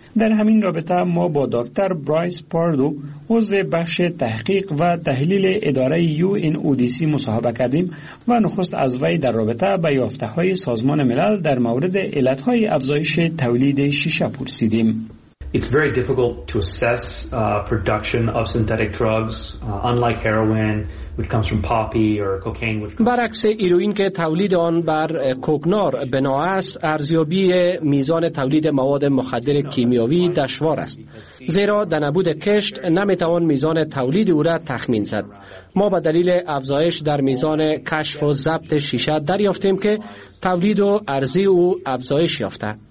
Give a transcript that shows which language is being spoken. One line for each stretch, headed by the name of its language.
Persian: در همین رابطه ما با دکتر برایس پاردو، عضو بخش تحقیق و تحلیل اداره UNODC مصاحبه کردیم و نخست از وی در رابطه با یافته‌های سازمان ملل در مورد علت‌های افزایش تولید شیشه پرسیدیم.
English: It's very difficult to assess production of synthetic drugs, unlike heroin, which comes from poppy or cocaine.
Persian: برعکس ایروین که تولید آن بر کوکنار بنا است، ارزیابی میزان تولید مواد مخدر کیمیاوی دشوار است. زیرا در نبود کشت نمیتوان میزان تولید او را تخمین زد. ما به دلیل افزایش در میزان کشف و ضبط شیشه دریافتیم که تولید و ارزی او افزایش یافته.